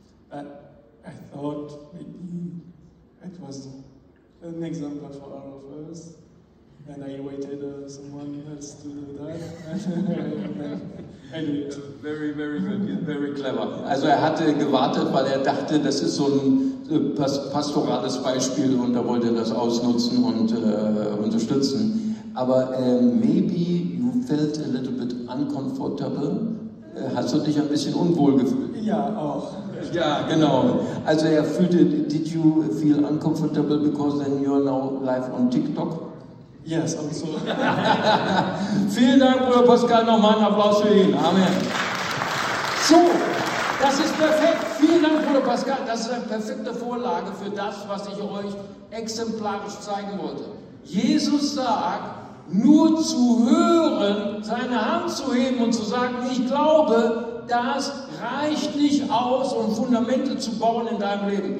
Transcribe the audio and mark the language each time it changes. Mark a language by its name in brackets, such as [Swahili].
[English] I thought maybe it was an example for all of us, and I waited someone else to do that. Anyway. Very, very good, very clever. [German] Also er hatte gewartet, weil er dachte, das ist so ein pastorales Beispiel und er wollte das ausnutzen und unterstützen. [English] Aber maybe you felt a little bit uncomfortable. [German] Hast du dich ein bisschen unwohl gefühlt? Ja, auch. Ja, genau. Also er fühlte, [English] did you feel uncomfortable because then you're now live on TikTok? Yes, I'm so. [German] Vielen Dank, Bruder Pascal, nochmal einen Applaus für ihn. Amen. So, das ist perfekt. Vielen Dank, Bruder Pascal. Das ist eine perfekte Vorlage für das, was ich euch exemplarisch zeigen wollte. Jesus sagt, nur zu hören, seine Hand zu heben und zu sagen, ich glaube, das reicht nicht aus, um Fundamente zu bauen in deinem Leben.